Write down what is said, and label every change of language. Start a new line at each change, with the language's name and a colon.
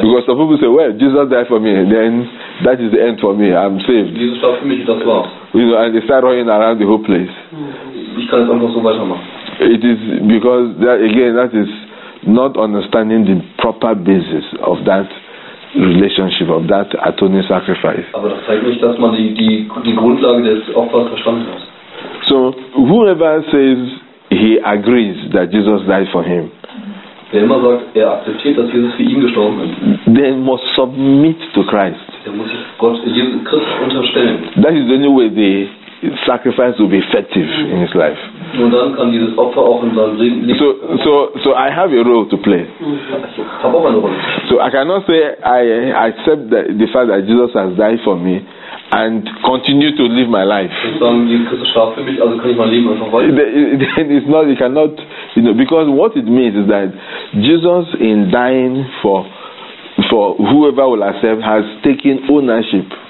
English: Because some people say, well, Jesus died for me, then that is the end for me, I'm saved.
German: Jesus starb für mich, das war's.
English: You know, and they start running around the whole place.
German: Ich kann es einfach so weitermachen.
English: It is because, that, again, that is not understanding the proper basis of that relationship, of that atoning sacrifice.
German: Aber das zeigt nicht, dass man die Grundlage des Opfers verstanden hat.
English: So whoever says he agrees that Jesus died for him,
German: wer immer sagt, er akzeptiert, dass Jesus für ihn gestorben ist,
English: then must submit to Christ.
German: Der muss sich Gott, Jesus Christus unterstellen.
English: That is the only way the sacrifice will be effective in his life.
German: Und dann kann dieses Opfer auch in seinem Leben.
English: So I have a role to play.
German: Ich habe auch eine Rolle.
English: So I cannot say I accept the fact that Jesus has died for me and continue to live my life. Then it's not, you cannot, you know, because what it means is that Jesus in dying for whoever will accept has taken ownership.